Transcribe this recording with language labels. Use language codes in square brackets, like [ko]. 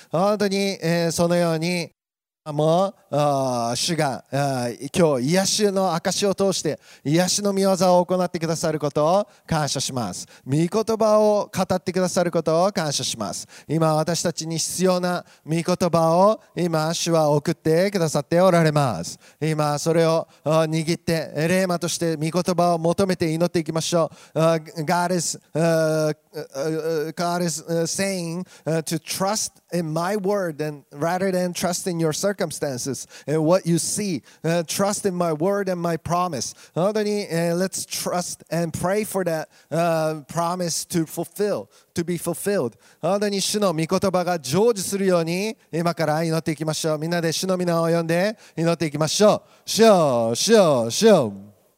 [ja] 本当に、そのようにもう主が今日癒しの証を通して癒しの御業を行ってくださることを感謝します。御言葉を語ってくださることを感謝します。今私たちに必要な御言葉を今主は送ってくださっておられます。今それを握ってレーマとして御言葉を求めて祈っていきましょう。 [en] God is God is saying to trust in my word and rather than trust in your circumstances and what you see. Trust in my word and my promise. 本当に let's trust and pray for that promise to fulfill, to be fulfilled. [ja] 本当に主の御言葉が成就するように今から祈っていきましょう。みんなで主の御名を呼んで祈っていきましょう。主よ、主よ、主よ。